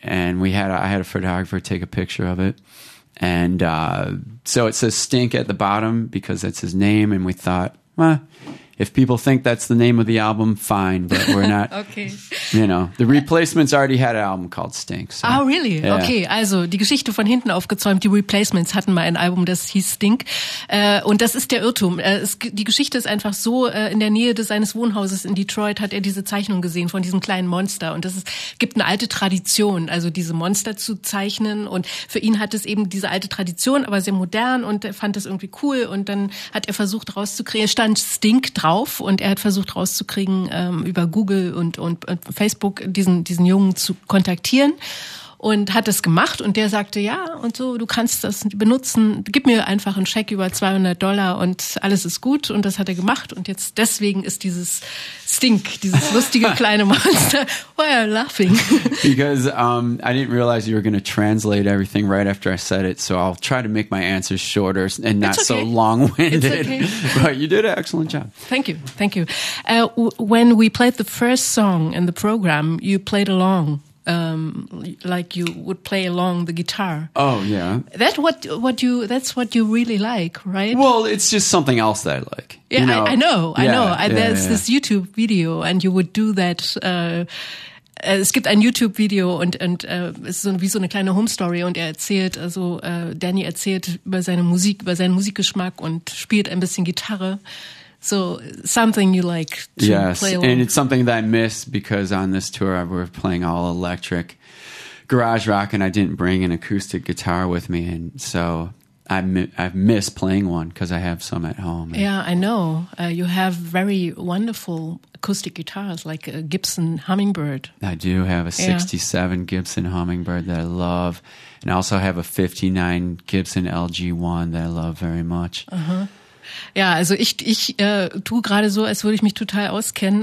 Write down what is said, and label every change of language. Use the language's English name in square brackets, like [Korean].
[English] And I had a photographer take a picture of it. And so it says Stink at the bottom because that's his name. And we thought, if people think that's the name of the album, fine, but we're not, okay. You know. The Replacements already had an album called Stink. So. Oh, really? Yeah. [German] Okay, also die Geschichte von hinten aufgezäumt, die Replacements hatten mal ein Album, das hieß Stink. Und das ist der Irrtum. Die Geschichte ist einfach so, in der Nähe des seines Wohnhauses in Detroit hat er diese Zeichnung gesehen von diesem kleinen Monster. Und es gibt eine alte Tradition, also diese Monster zu zeichnen. Und für ihn hat es eben diese alte Tradition, aber sehr modern. Und er fand das irgendwie cool. Und dann hat er versucht rauszukriegen, stand Stink dran. Drauf und er hat versucht rauszukriegen, über Google und Facebook diesen Jungen zu kontaktieren und hat das gemacht und der sagte, ja und so, du kannst das benutzen, gib mir einfach einen Scheck über $200 und alles ist gut und das hat er gemacht und jetzt deswegen ist dieses Stink, dieses lustige kleine Monster, [English] why are you laughing? Because I didn't realize you were going to translate everything right after I said it, so I'll try to make my answers shorter and not okay. So long-winded. It's okay. But you did an excellent job. Thank you. When we played the first song in the program, you played along. Like you would play along the guitar. Oh yeah. That's what you really like, right? Well, it's just something else that I like. Yeah, you know? I know. This YouTube video, and you would do that. [German] Es gibt ein YouTube Video und es ist so wie so eine kleine Home Story und er erzählt, also Danny erzählt über seine Musik, über seinen Musikgeschmack und spielt ein bisschen Gitarre. [English] So something you like to play. Yes, and it's something that I miss because on this tour I were playing all electric garage rock and I didn't bring an acoustic guitar with me. And so I've missed playing one because I have some at home. Yeah, I know. You have very wonderful acoustic guitars like a Gibson Hummingbird. I do have a 67 Gibson Hummingbird that I love. And I also have a 59 Gibson LG1 that I love very much. Uh-huh. [German] Ja, also ich tue gerade so, als würde ich mich total auskennen.